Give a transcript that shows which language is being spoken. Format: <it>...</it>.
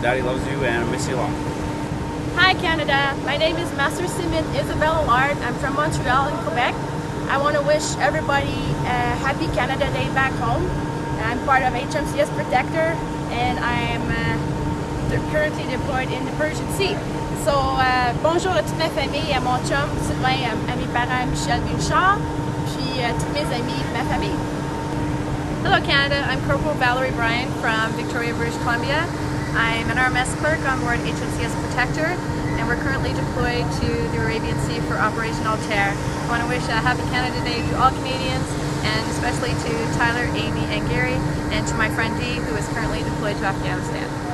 <en>Daddy loves you and I miss you a lot. Hi, Canada. My name is Master Seaman Isabelle Allard. I'm from Montreal in Quebec. I want to wish everybody a happy Canada Day back home. I'm part of HMCS Protecteur and I'm currently deployed in the Persian Sea. So,</en> <fr>bonjour à toute ma famille, à mon chum, Sylvain, à mes parents, Michel Bouchard, puis à tous mes amis, ma famille.</fr> <en>Hello Canada, I'm Corporal Valerie Bryan from Victoria, British Columbia. I'm an RMS clerk on board HMCS Protecteur, and we're currently deployed to the Arabian Sea for Operation Altair. I want to wish a happy Canada Day to all Canadians, and especially to Tyler, Amy, and Gary, and to my friend Dee, who is currently deployed to Afghanistan.</en>